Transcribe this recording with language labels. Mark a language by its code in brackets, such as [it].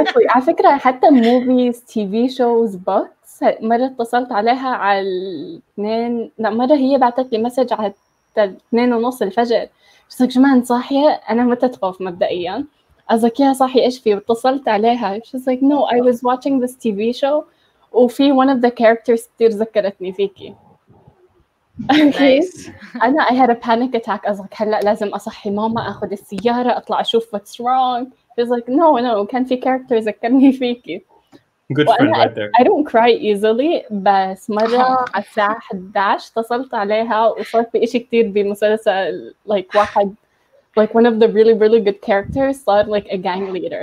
[ar] على فكرة حتى movies, TV shows, books, مرة اتصلت عليها على 2, مرة هي بعتت لي مسج على 2:30 الفجر. بس لك جمان صاحية, أنا متى تخوف مبدئياً. أزك يا صاحي إيش فيه؟ واتصلت عليها. [en] She's like, no, I was watching this TV show وفي one of the characters كتير ذكرتني فيكي. Nice. أنا I had a panic attack. [ar] أزك هلأ لازم أصحي ماما, أخذ السيارة أطلع أشوف what's wrong. [en] She's like, no, كان في character ذكرني فيكي. Good friend right there. I don't cry easily, بس مرة على الساعة 11 اتصلت عليها وصار في إشي كتير بمسلسل, like واحد like one of the really really good characters صار like a gang leader.